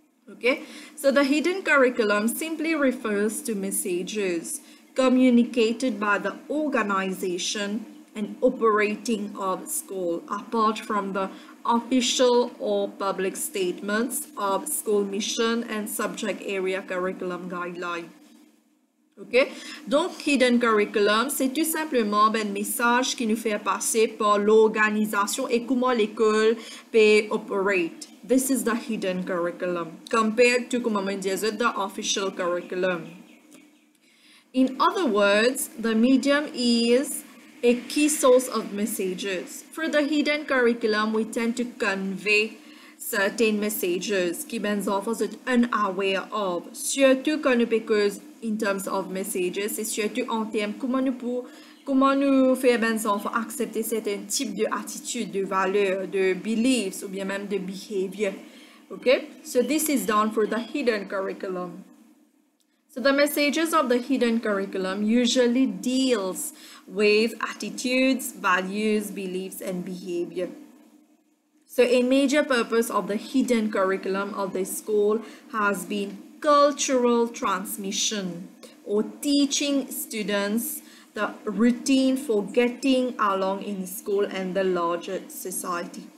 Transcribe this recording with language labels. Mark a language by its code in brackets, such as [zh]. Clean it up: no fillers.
[en] Okay, so the hidden curriculum simply refers to messages communicated by the organization and operating of school, apart from the official or public statements of school mission and subject area curriculum guideline. [fr] Ok, donc hidden curriculum, c'est tout simplement un message qui nous fait passer par l'organisation et comment l'école peut opérer. [en] This is the hidden curriculum, compared to, comme on me disait, the official curriculum. In other words, the medium is a key source of messages. [fr] For the hidden curriculum, we tend to convey certain messages qui les enfants sont unaware of, surtout quand nous pouvons in terms of messages, c'est surtout en termes comment nous faire les enfants accepter certain types d'attitude, de valeurs, de beliefs ou bien même de behavior. [en] Okay, so this is done for the hidden curriculum. So the messages of the hidden curriculum usually deals with attitudes, values, beliefs and behavior. So a major purpose of the hidden curriculum of the school has been cultural transmission, or teaching students the routine for getting along in school and the larger society.